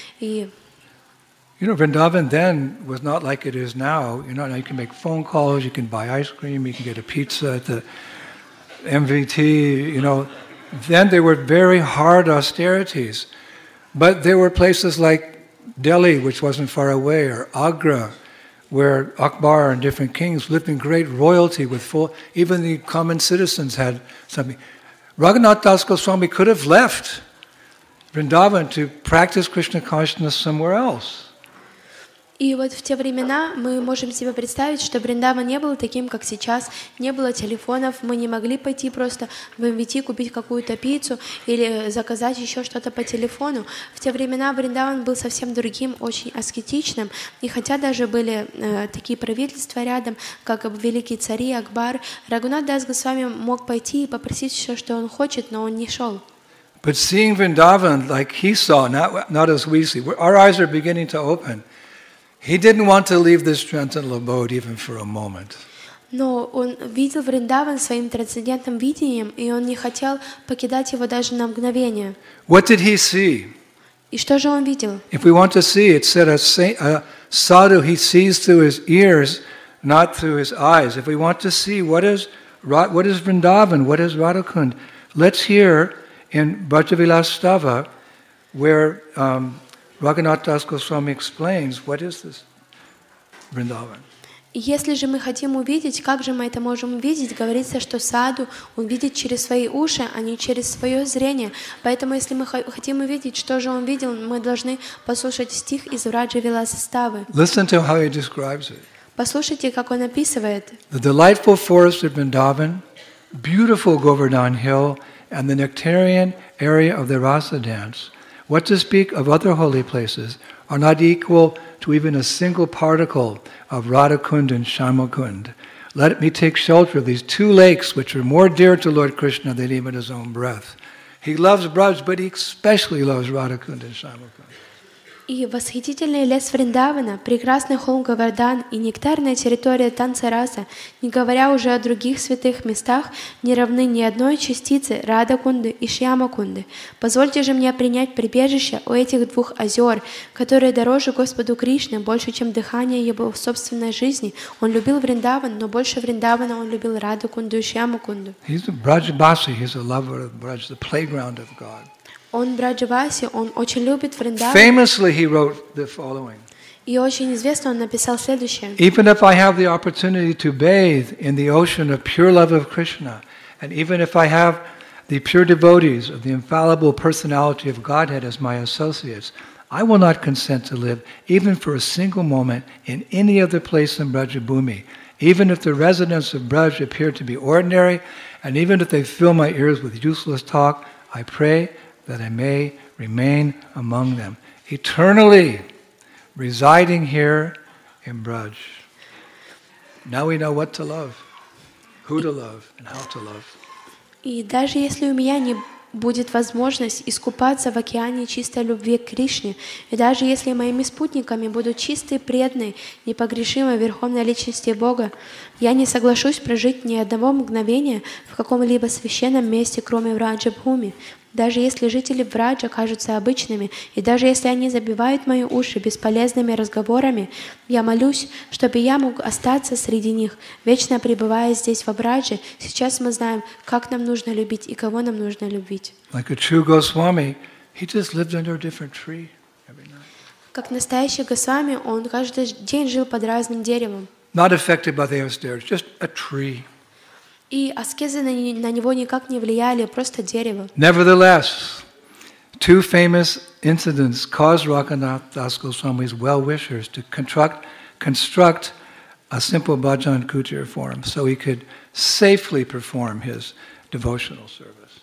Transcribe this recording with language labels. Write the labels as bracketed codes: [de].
[en] И... You know, Vrindavan then was not like it is now. You know, now you can make phone calls, you can buy ice cream, you can get a pizza at the MVT, you know. Then there were very hard austerities. But there were places like Delhi, which wasn't far away, or Agra, where Akbar and different kings lived in great royalty with full, even the common citizens had something. Raghunath Das Goswami could have left Vrindavan to practice Krishna consciousness somewhere else. [ru] И вот в те времена мы можем себе представить, что Бриндава не был таким, как сейчас, не было телефонов, мы не могли пойти просто в МВТ купить какую-то пиццу или заказать еще что-то по телефону. В те времена Бриндаван был совсем другим, очень аскетичным, и хотя даже были такие правительства рядом, как великие цари, Акбар, Рагхунат Дас Госвами мог пойти и попросить все, что он хочет, но он не шел. [en] But seeing Vrindavan like he saw, not as we see, our eyes are beginning to open. He didn't want to leave this transcendental abode even for a moment. [ru] Но он видел Вриндаван своим трансцендентным видением, и он не хотел покидать его даже на мгновение. [en] What did he see? [ru] И что же он видел? [en] If we want to see, it said a sadhu, he sees through his ears, not through his eyes. If we want to see what is Vrindavan, what is Radhakund, let's hear in Brajavilas Stava where Raghunath Das Goswami explains what is this Vrindavan. [ru] Если же мы хотим увидеть, как же мы это можем увидеть, говорится, что саду он видит через свои уши, а не через свое зрение. Поэтому если мы хотим увидеть, что же он видел, мы должны послушать стих из Раджавилас Ставы. [en] Listen to how he describes it. [ru] Послушайте, как он описывает. [en] The delightful forest of Vrindavan, beautiful Govardhan Hill, and the nectarian area of the Rasa dance. What to speak of other holy places are not equal to even a single particle of Radhakund and Shyamakund. Let me take shelter of these two lakes which are more dear to Lord Krishna than even his own breath. He loves Braj, but he especially loves Radhakund and Shyamakund. [ru] И восхитительный лес Вриндавана, прекрасный холм Говардан и нектарная территория танца Раса, не говоря уже о других святых местах, не равны ни одной частице Радхакунды и Шьямакунды. Позвольте же мне принять прибежище у этих двух озер, которые дороже Господу Кришне, больше, чем дыхание его в собственной жизни. Он любил Вриндаван, но больше Вриндавана он любил Радхакунду и Шьямакунду. [en] He's a Brajbasi, he's a lover of Braj, the playground of God. [ru] Он Браджаваси, он очень любит Вриндаван. [en] Famously he wrote the following. [ru] И очень известно он написал следующее. [en] Even if I have the opportunity to bathe in the ocean of pure love of Krishna, and even if I have the pure devotees of the infallible personality of Godhead as my associates, I will not consent to live even for a single moment in any other place in Brajabhumi, even if the residents of Braj appear to be ordinary, and even if they fill my ears with useless talk, I pray that I may remain among them, eternally residing here in Braj. Now we know what to love, who to love, and how to love. [ru] И даже если у меня не будет возможность искупаться в океане чистой любви к Кришне, и даже если моими спутниками будут чистые, преданные, непогрешимые верховной личности Бога, я не соглашусь прожить ни одного мгновения в каком-либо священном месте, кроме Враджа-бхуми. Даже если жители Враджа кажутся обычными, и даже если они забивают мои уши бесполезными разговорами, я молюсь, чтобы я мог остаться среди них, вечно пребывая здесь, во Врадже. Сейчас мы знаем, как нам нужно любить и кого нам нужно любить. [en] Like a true Goswami, he just lived under a different tree every night. [ru] Как настоящий Госвами, он каждый день жил под разным деревом. [en] Not affected by the austerity, just a tree. [ru] И аскезы на него никак не влияли, просто дерево. [en] Nevertheless, two famous incidents caused Raghunath Das Goswami's well-wishers to construct a simple bhajan kutir for him so he could safely perform his devotional service.